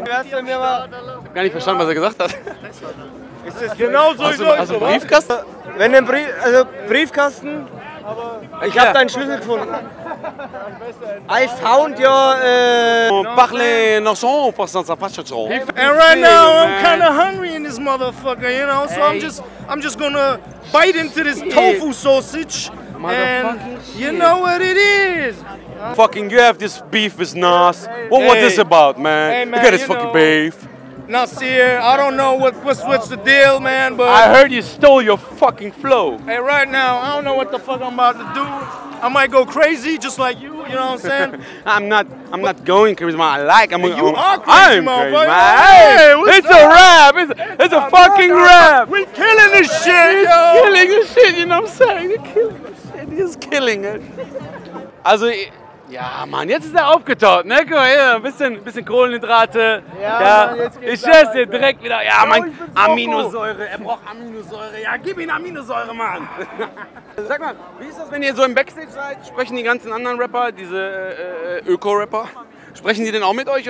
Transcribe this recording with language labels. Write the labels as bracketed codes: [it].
[de] hab gar nicht verstanden, was er gesagt hat. Ist das genau so? Hast du einen Briefkasten? Wenn ein Brief, also Briefkasten. Aber ich hab deinen Schlüssel gefunden. [en] I found your. [de] Parle noch so, was dann zapatscht so. [en] And right now I'm kinda hungry in this motherfucker, you know? So I'm just gonna bite into this tofu sausage. And you know what it is. Fucking, you have this beef with Nas. What this about, man? Hey, man, you got this fucking beef. Nas here, I don't know what's the deal, man, but... I heard you stole your fucking flow. Hey, right now, I don't know what the fuck I'm about to do. I might go crazy, just like you, you know what I'm saying? I'm not going crazy, you are crazy, man. It's a rap, it's a fucking rap. We killing this shit, yo. Killing this shit, you know what I'm saying? You're killing this shit, he's killing it. [de] Also, ja, Mann, jetzt ist er aufgetaut, ne? Guck mal, ja, ein bisschen Kohlenhydrate. Ja, ja. Mann, jetzt geht's direkt wieder. Ja, Mann, Aminosäure. Er braucht Aminosäure. Ja, gib ihm Aminosäure, Mann. Sag mal, wie ist das, wenn ihr so im Backstage seid? Sprechen die ganzen anderen Rapper, diese Öko-Rapper, sprechen die denn auch mit euch?